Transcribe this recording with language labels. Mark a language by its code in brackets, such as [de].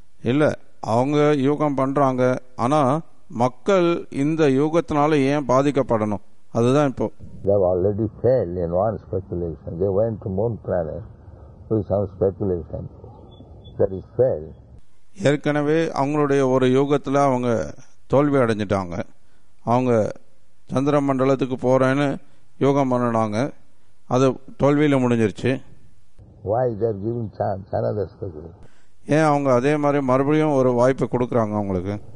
[ta] இல்ல, அவங்க யூகம் பண்றாங்க, ஆனா மக்கள் இந்த யூகத்தினால ஏன் பாதிக்கப்படணும், அதுதான் இப்போ. [en] They have already failed in one speculation. They went to moon planet with some speculation. That is failed. [ta] ஏற்கனவே அவங்களுடைய ஒரு யோகத்தில் அவங்க தோல்வி அடைஞ்சிட்டாங்க. அவங்க சந்திர மண்டலத்துக்கு போறேன்னு யோகம் பண்ணினாங்க, அது தோல்வியில் முடிஞ்சிருச்சு. [en] Why they are giving chance another speculation? [ta] ஏன் அவங்க அதே மாதிரி மறுபடியும் ஒரு வாய்ப்பு கொடுக்குறாங்க அவங்களுக்கு?